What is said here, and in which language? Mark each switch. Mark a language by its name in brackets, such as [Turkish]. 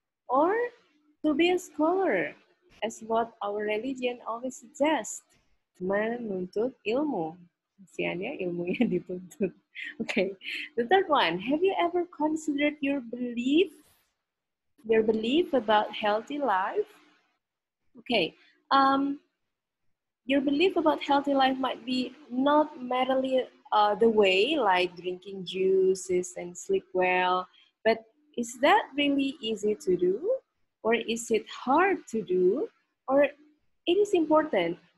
[English] Or to be a scholar, as what our religion always suggests. [Indonesian] Menuntut ilmu. Kasiannya ilmu yang dituntut. [English] Okay. The third one, have you ever considered your belief about healthy life? Okay. Your belief about healthy life might be not merely the way like drinking juices and sleep well, but is that really easy to do, or is it hard to do, or it is important?